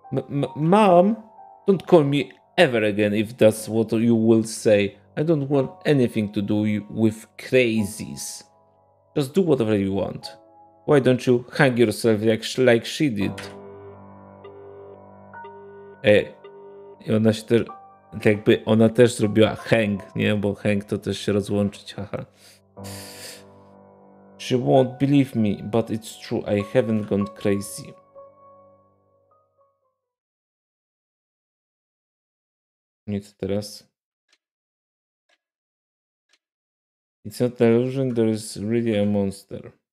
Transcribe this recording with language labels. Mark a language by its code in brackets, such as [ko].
[en] Mom, don't call me ever again, if that's what you will say. I don't want anything to do with crazies. Just do whatever you want. Why don't you hang yourself like she did? [pl] I ona się też, jakby ona też zrobiła hang, nie? Bo hang to też się rozłączyć, haha. [en] She won't believe me, but it's true, I haven't gone crazy. [pl] Nic teraz. [en] It's not an illusion, there is really a monster.